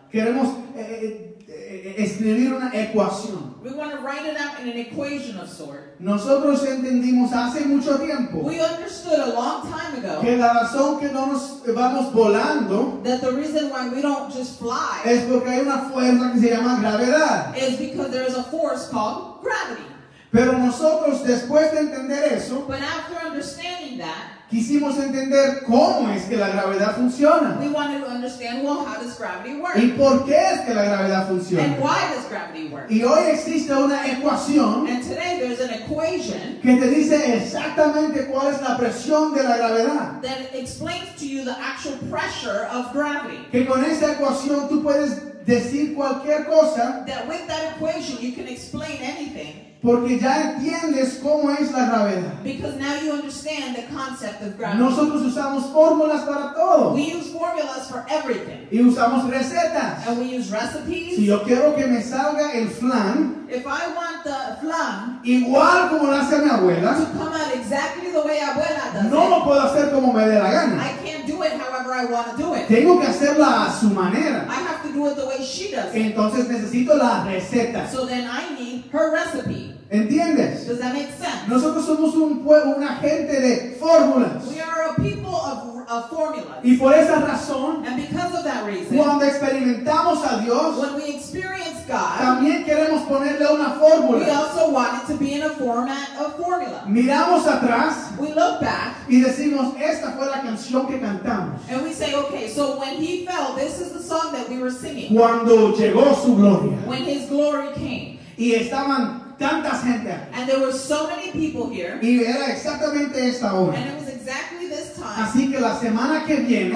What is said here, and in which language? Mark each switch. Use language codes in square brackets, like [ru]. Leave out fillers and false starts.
[es] Queremos escribir una ecuación. [en] We want to write it out in an equation of sort. [es] Nosotros entendimos hace mucho tiempo. [en] We understood a long time ago. [es] Que la razón que no nos vamos volando. [en] That the reason why we don't just fly. [es] Es porque hay una fuerza que se llama gravedad. [en] Is because there is a force called gravity. [es] Pero nosotros después de entender eso. [en] But after understanding that. [es] Quisimos entender cómo es que la gravedad funciona. [en] We wanted to understand, well, how does gravity work? [es] ¿Y por qué es que la gravedad funciona? [en] And why does gravity work? [es] Y hoy existe una ecuación. [en] And today there's an equation. [es] Que te dice exactamente cuál es la presión de la gravedad. [en] That explains to you the actual pressure of gravity. [es] Que con esa ecuación tú puedes decir cualquier cosa. [en] That with that equation you can explain anything. [es] Porque ya entiendes cómo es la gravedad. [en] Because now you understand the concept of gravity. [es] Nosotros usamos fórmulas para todo. [en] We use formulas for everything. [es] Y usamos recetas. [en] And we use recipes. [es] Si yo quiero que me salga el flan. [en] If I want the flan. [es] Igual como lo hace mi abuela. [en] To come out exactly the way abuela does no it. [es] No lo puedo hacer como me dé la gana. [en] I can't do it however I want to do it. [es] Tengo que hacerla a su manera. [en] I have to do it the way she does it. [es] Entonces necesito la receta. [en] So then I need her recipe. [es] ¿Entiendes? [en] Does that make sense? [es] Nosotros somos un pueblo, una gente de fórmulas. [en] We are a people of formulas. [es] Y por esa razón, [en] and because of that reason, [es] cuando experimentamos a Dios, [en] when we experience God, [es] también queremos ponerle una fórmula. [en] We also want it to be in a format of formula. [es] Miramos atrás, [en] we look back, [es] y decimos, esta fue la canción que cantamos. [en] And we say, okay, so when he fell, this is the song that we were singing. [es] Cuando llegó su gloria. [en] When his glory came. [es] Y estaban tantas gente. [en] And there were so many people here. [es] Y era exactamente esta hora. [en] And it was exactly this time. [es] Así que la semana que viene,